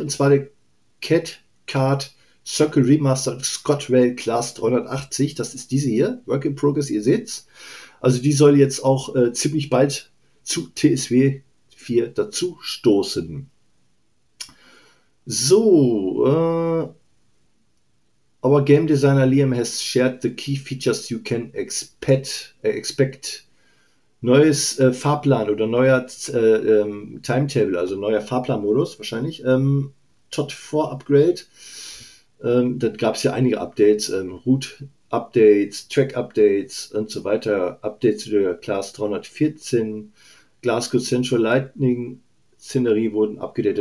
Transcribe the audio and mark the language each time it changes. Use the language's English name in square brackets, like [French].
[German] Und zwar der Cat Card Circle Remastered ScotRail Class 380. Das ist diese hier. Work in Progress, ihr seht's. Also die soll jetzt auch ziemlich bald zu TSW 4 dazu stoßen. So. [English] Our game designer Liam has shared the key features you can expect. [German] Neues Fahrplan oder neuer Timetable, also neuer Fahrplanmodus wahrscheinlich. TOD4-Upgrade. Da gab es ja einige Updates. Route-Updates, Track-Updates und so weiter. Updates zu der Class 314. Glasgow Central Lightning-Szenerie wurden abgedatet.